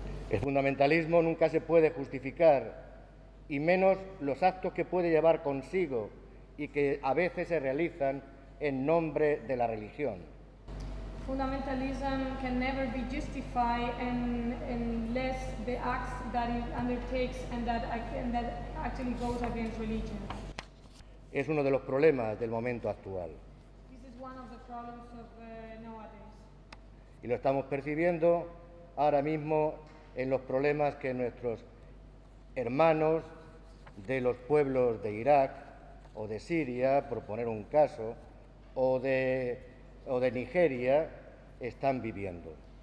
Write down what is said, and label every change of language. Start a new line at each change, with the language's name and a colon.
Spanish: El fundamentalismo nunca se puede justificar, y menos los actos que puede llevar consigo y que a veces se realizan en nombre de la religión.
English: Fundamentalism can never be justified unless the acts that it undertakes and that actually goes against religion.
Spanish: Es uno de los problemas del momento actual.
English: This is one of the problems of nowadays.
Spanish: Y lo estamos percibiendo ahora mismo en los problemas que nuestros hermanos de los pueblos de Irak o de Siria, por poner un caso, o de Nigeria, están viviendo.